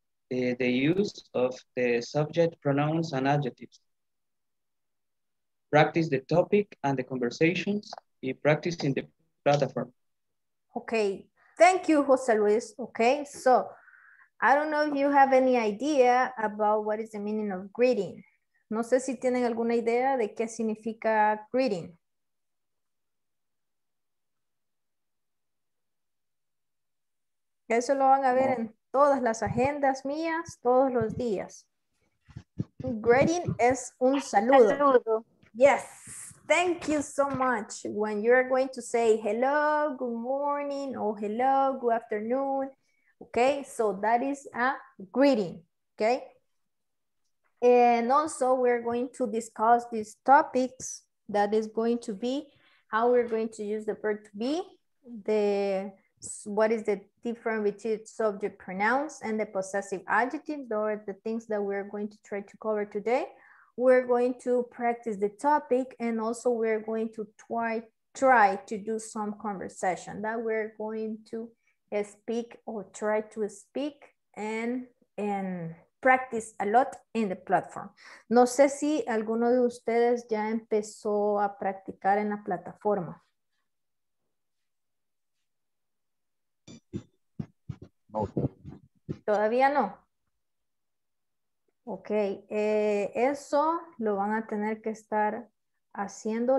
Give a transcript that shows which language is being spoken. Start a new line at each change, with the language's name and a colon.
English: The use of the subject pronouns and adjectives. Practice the topic and the conversations y practice in the platform. Okay, thank you, José Luis. Okay, so I don't know if you have any idea about what is the meaning of greeting.
Spanish: No sé si tienen alguna idea de qué significa greeting. Eso lo van a ver en todas las agendas mías, todos los días. Greeting es un saludo. Saludo.
English: Yes, thank you so much. When you're going to say hello, good morning, or hello, good afternoon. Okay, so that is a greeting, okay? And also we're going to discuss these topics that is going to be how we're going to use the verb to be, the what is the difference between subject pronouns and the possessive adjectives, or the things that we're going to try to cover today. We're going to practice the topic, and also we're going to try to do some conversation that we're going to speak or try to speak and practice a lot in the platform.
Spanish: No sé si alguno de ustedes ya empezó a practicar en la plataforma.
English: Okay.
Spanish: Todavía no. Ok, eso lo van a tener que estar haciendo.